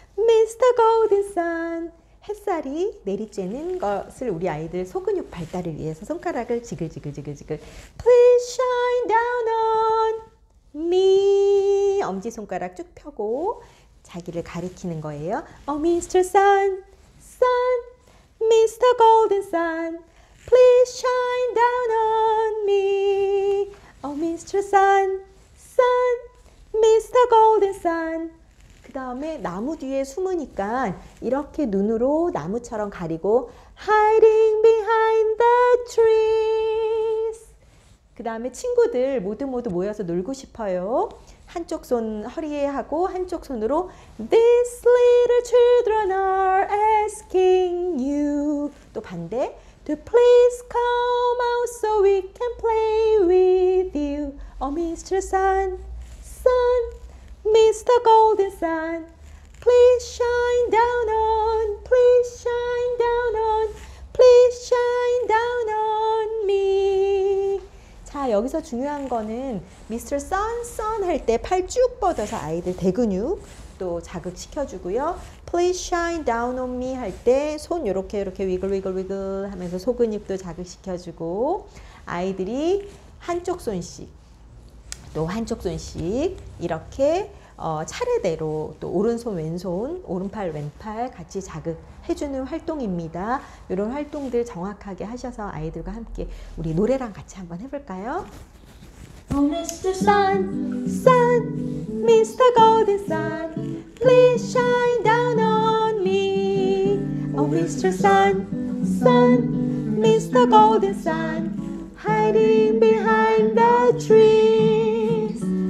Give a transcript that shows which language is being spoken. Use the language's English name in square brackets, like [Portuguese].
[Korean] 미스터 골든 선, 햇살이 내리쬐는 것을 우리 아이들 소근육 발달을 위해서 손가락을 지글지글지글지글 [English] Please shine down on me. [Korean] 엄지손가락 쭉 펴고 자기를 가리키는 거예요. [English] Oh, Mr. Sun, Sun, Mr. Golden Sun, please shine down on me. Oh, Mr. Sun, Sun, Mr. Golden Sun. [Korean] 그 다음에 나무 뒤에 숨으니까 이렇게 눈으로 나무처럼 가리고 [English] Hiding behind the trees. [Korean] 그 다음에 친구들 모두 모두 모여서 놀고 싶어요. 한쪽 손 허리에 하고 한쪽 손으로 [English] These little children are asking you. [Korean] 또 반대 [English] To please come out so we can play with you. Oh, Mr. Sun, Sun, Mr. Golden Sun, Please shine down on, please shine down on, please shine down on me. [Korean] 자, 여기서 중요한 거는 미스터 선, 선 할 때 팔 쭉 뻗어서 아이들 대근육 또 자극시켜주고요. [English] Please shine down on me [Korean] 할 때 손 이렇게 이렇게 위글위글위글 하면서 소근육도 자극시켜주고 아이들이 한쪽 손씩 또 한쪽 손씩 이렇게 차례대로 또 오른손 왼손 오른팔 왼팔 같이 자극해주는 활동입니다. 이런 활동들 정확하게 하셔서 아이들과 함께 우리 노래랑 같이 한번 해볼까요? [English] Oh, Mr. Sun, Sun, Mr. Golden Sun, Please shine down on me. Oh, Mr. Sun, Sun, Mr. Golden Sun, Hiding behind the trees.